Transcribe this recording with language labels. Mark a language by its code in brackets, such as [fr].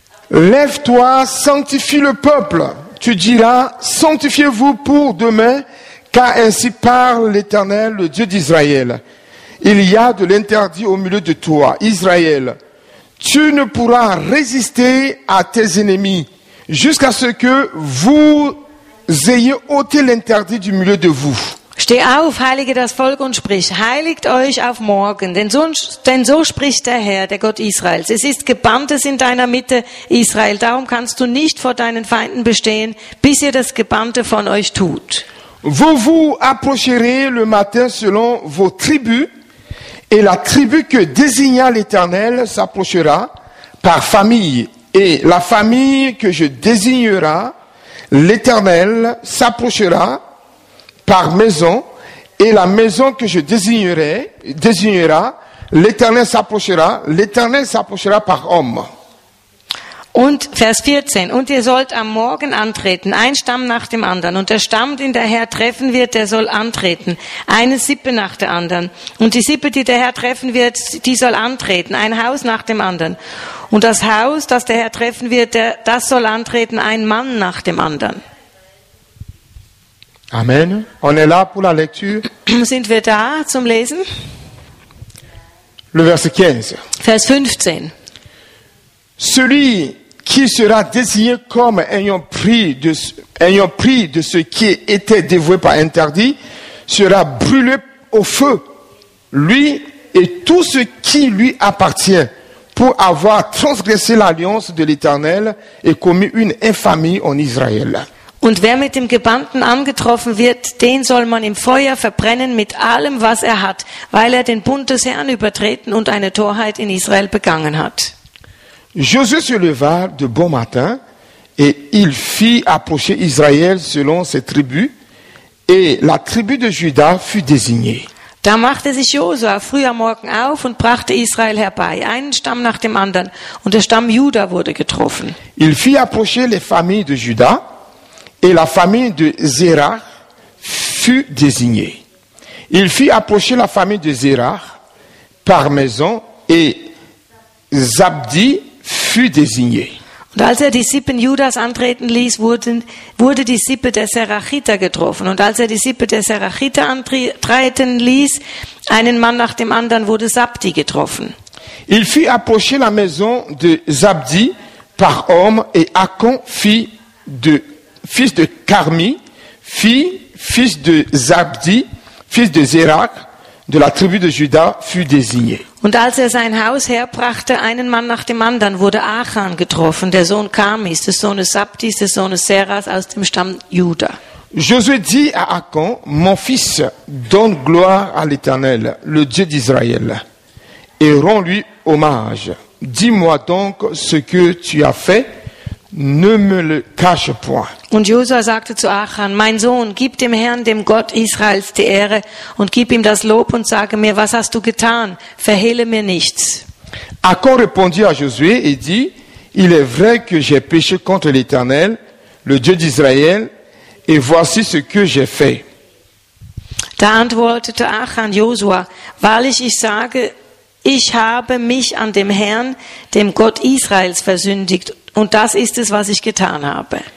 [fr] Lève-toi, sanctifie le peuple. Tu diras, sanctifiez-vous pour demain, car ainsi parle l'Éternel, le Dieu d'Israël. Il y a de l'interdit au milieu de toi, Israël. Tu ne pourras résister à tes ennemis jusqu'à ce que vous ayez ôté l'interdit du milieu de vous. [de] Steh auf, heilige das Volk und sprich, heiligt euch auf morgen, denn so spricht der Herr, der Gott Israels. Es ist Gebanntes in deiner Mitte, Israel. Darum kannst du nicht vor deinen Feinden bestehen, bis ihr das Gebannte von euch tut. [fr] Vous vous approcherez le matin selon vos tribus, et la tribu que désigna l'Éternel s'approchera par famille, et la famille que je désignera, l'Éternel s'approchera par maison, et la maison que je désignerai, l'Éternel s'approchera, par homme. [de] Und Vers 14. Und ihr sollt am Morgen antreten, ein Stamm nach dem anderen. Und der Stamm, den der Herr treffen wird, der soll antreten. Eine Sippe nach der anderen. Und die Sippe, die der Herr treffen wird, die soll antreten. Ein Haus nach dem anderen. Und das Haus, das der Herr treffen wird, das soll antreten. Ein Mann nach dem anderen. Amen. [fr] On est là pour la lecture. [de] Sind wir da zum Lesen? [fr] Le verset 15. [de] Vers 15. [fr] Celui qui sera désigné comme ayant pris de ce qui était dévoué par interdit sera brûlé au feu, lui et tout ce qui lui appartient, pour avoir transgressé l'alliance de l'Éternel et commis une infamie en Israël. [de] Und wer mit dem Gebannten angetroffen wird, den soll man im Feuer verbrennen mit allem, was er hat, weil er den Bund des Herrn übertreten und eine Torheit in Israel begangen hat. [fr] Josué se leva de bon matin et il fit approcher Israël selon ses tribus et la tribu de Juda fut désignée. [de] Da machte sich Josua früh am Morgen auf und brachte Israel herbei, einen Stamm nach dem anderen, und der Stamm Juda wurde getroffen. [fr] Il fit approcher les familles de Juda et la famille de Zerah fut désignée. Il fit approcher la famille de Zerah par maison et Zabdi fut désigné. [de] Und als er die Sippen Judas antreten ließ, wurde die Sippe der Serachiter getroffen. Und als er die Sippe der Serachiter antreten ließ, einen Mann nach dem anderen, wurde Zabdi getroffen. [fr] Il fit approcher la maison de Zabdi par homme et Akon fils de Carmi, fils de Zabdi, fils de Zerach, de la tribu de Juda, fut désigné. [de] Und als er sein Haus herbrachte, einen Mann nach dem anderen, wurde Achan getroffen, der Sohn Carmis, des Sohnes Zabdis, des Sohnes Seras, aus dem Stamm Juda. [fr] Josué dit à Achan, mon fils, donne gloire à l'Éternel, le Dieu d'Israël, et rends-lui hommage. Dis-moi donc ce que tu as fait. Ne me le cache point. [de] Und Josua sagte zu Achan, mein Sohn, gib dem Herrn, dem Gott Israels, die Ehre und gib ihm das Lob und sage mir, was hast du getan? Verhehle mir nichts. [fr] Achan répondit à Josué et dit, il est vrai que j'ai péché contre l'Éternel, le Dieu d'Israël, et voici ce que j'ai fait. [de] Da antwortete Achan Josua, wahrlich, ich sage, ich habe mich an dem Herrn, dem Gott Israels, versündigt. Und das ist es, was ich getan habe.